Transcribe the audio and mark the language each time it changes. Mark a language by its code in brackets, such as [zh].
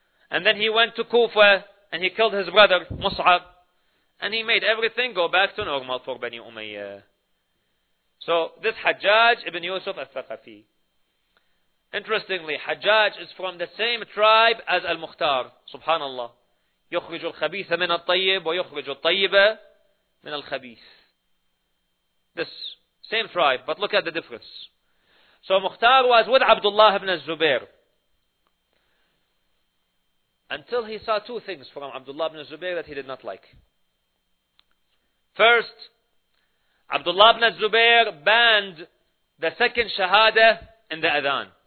[en] And then he went to Kufa and he killed his brother Mus'ab and he made everything go back to normal for Bani Umayyah. So, this Hajjaj ibn Yusuf al-Thaqafi. Interestingly, Hajjaj is from the same tribe as al-Mukhtar. [ar] Subhanallah. يخرج الخبيث من الطيب ويخرج الطيب من الخبيث. [en] This same tribe, but look at the difference. So, Mukhtar was with Abdullah ibn al-Zubair. Until he saw two things from Abdullah ibn al-Zubair that he did not like. First, Abdullah ibn al-Zubair banned the second shahada in the adhan.